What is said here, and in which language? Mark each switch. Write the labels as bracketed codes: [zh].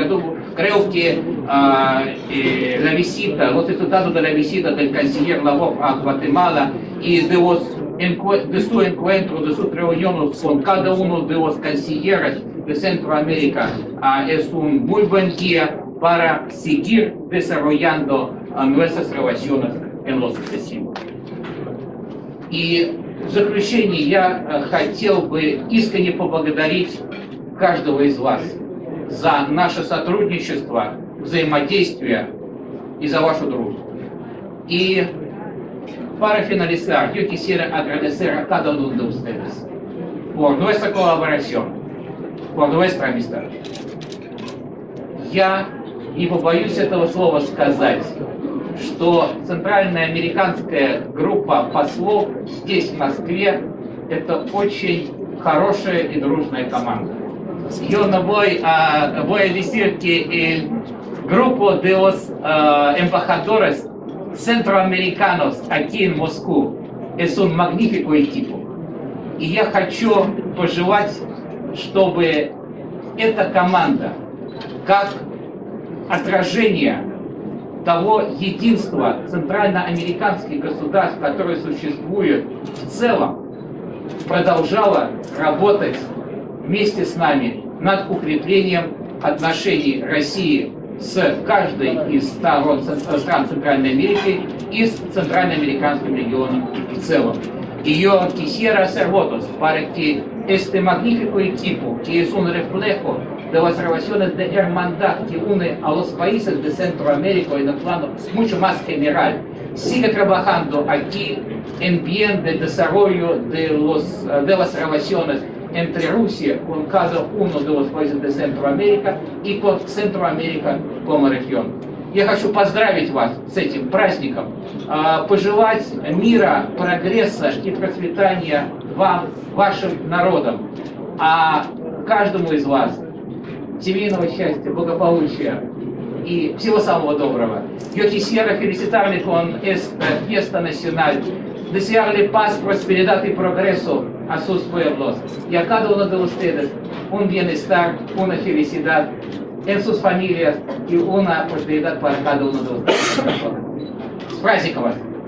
[ru] Я думаю, [es] creo que la visita, los resultados de la visita del canciller Лавров a Guatemala y de los de su encuentro, de sus reuniones con cada uno de los cancilleres de Centroamérica, es un muy buen día para seguir desarrollando nuestras relaciones en lo sucesivo. [ru] Y в заключение я хотел бы искренне поблагодарить каждого из вас за наше сотрудничество, взаимодействие и за вашу дружбу. [es] И para finalizar, yo quisiera agradecer a cada uno de ustedes por nuestra colaboración, por nuestra amistad. [ru] Я не побоюсь этого слова сказать, что Центральная Американская группа послов здесь, в Москве, это очень хорошая и дружная команда. [es] Yo no voy a decir que el grupo de los embajadores Центроамериканос aquí en Moscú es un magnífico equipo. [ru] И я хочу пожелать, чтобы эта команда, как отражение того единства центральноамериканских государств, которое существует в целом, продолжала работать вместе с нами над укреплением отношений России с каждой из стран Центральной Америки и с центральноамериканским регионом в целом. [es] И yo quisiera hacer votos para que este magnífico equipo, que es un reflejo de las relaciones de hermandad que une a los países de Centroamérica en el plano mucho más general, siga trabajando aquí en bien del desarrollo de las relaciones entre Rusia, con cada uno de los países de Centroamérica y con Centroamérica como región. [ru] Я хочу поздравить вас с этим праздником, пожелать мира, прогресса и процветания вам, вашим народам, а каждому из вас семейного счастья, благополучия и всего самого доброго. [es] Yo quisiera felicitarme con esta fiesta nacional, desearle paz, prosperidad y progreso a sus pueblos y a cada uno de ustedes un bienestar, una felicidad en sus familias y una prosperidad para cada uno de ustedes. [ru] С праздником вас!